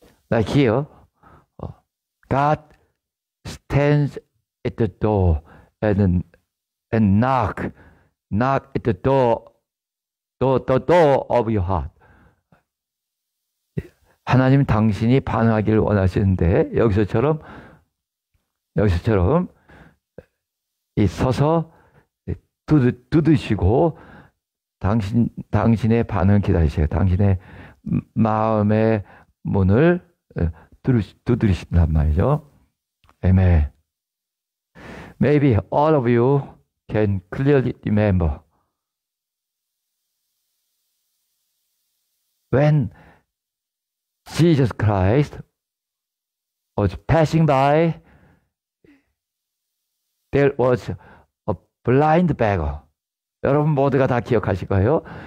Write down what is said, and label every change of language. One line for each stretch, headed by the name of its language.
English: Like here, God stands at the door and knock at the door of your heart.
Korean: 하나님 당신이 반응하기를 원하시는데 여기서처럼 이 서서 두드시고 당신의 반응 기다리세요. 당신의 마음의 문을 두드리신단 말이죠.
English: Amen. Maybe all of you can clearly remember when Jesus Christ was passing by, there was a blind beggar.
Korean: 여러분 모두가 다 기억하실 거예요.